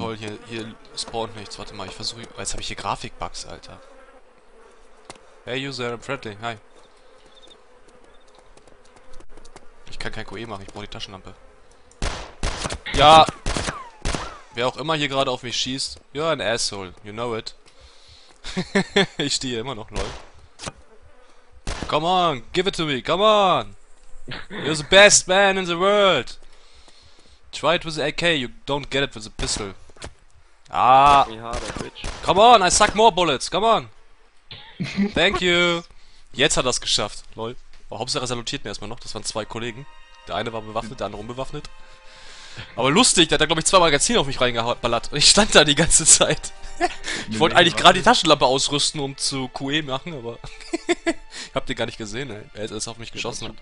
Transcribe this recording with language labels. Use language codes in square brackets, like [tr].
[de] Toll, hier spawnt nichts. Warte mal, ich versuche. Jetzt habe ich hier Grafikbugs, Alter. [en] Hey, User, I'm friendly. Hi. [de] Ich kann kein QE machen, ich brauche die Taschenlampe. Ja! Wer auch immer hier gerade auf mich schießt, [en] you're an asshole, you know it. [de] Ich stehe immer noch, lol. [en] Come on, give it to me, come on! You're the best man in the world! Try it with the AK, you don't get it with the pistol. Ah! Come on, I suck more bullets, come on! Thank you! [de] Jetzt hat er es geschafft, lol. Oh, Hauptsache, er salutiert mir erstmal noch, das waren zwei Kollegen. Der eine war bewaffnet, der andere unbewaffnet. Aber lustig, der hat da glaube ich zwei Magazine auf mich reingeballert und ich stand da die ganze Zeit. Ich wollte eigentlich gerade die Taschenlampe ausrüsten, um zu QE machen, aber ich hab den gar nicht gesehen, ey. Er ist auf mich geschossen.